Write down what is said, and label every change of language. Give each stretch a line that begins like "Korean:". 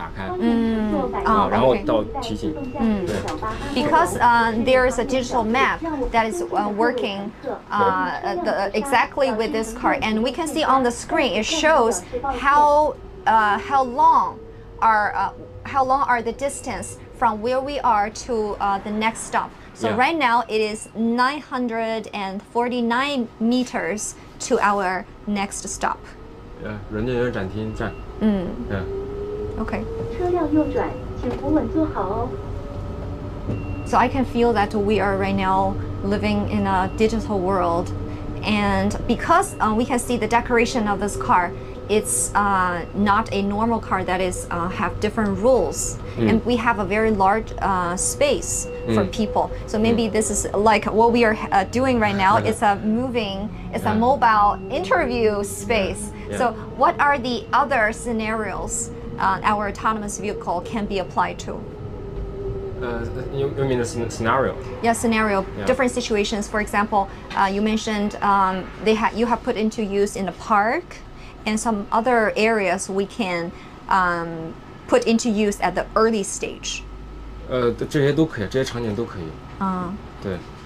English: Because there is a digital map that is working exactly with this car, and we can see on the screen it shows how long are the distance from where we are to the next stop. So right now it is 949 meters to our next stop.
Chinese: Yeah, 人家有展厅站。 Mm.
English: Yeah. Okay.
Chinese: 车辆右转，请扶稳坐好哦。
English: So I can feel that we are right now living in a digital world, and because we can see the decoration of this car, it's not a normal car that is have different rules, and we have a very large space for people. So maybe this is like what we are doing right now. It's a mobile interview space. Yeah. So what are the other scenarios our autonomous vehicle can be applied to? You mean the scenario? Yeah, scenario. Yeah. Different situations. For example, you mentioned you have put into use in a park, and some other areas we can put into use at the early stage.
Chinese: 这些都可以，这些场景都可以。对。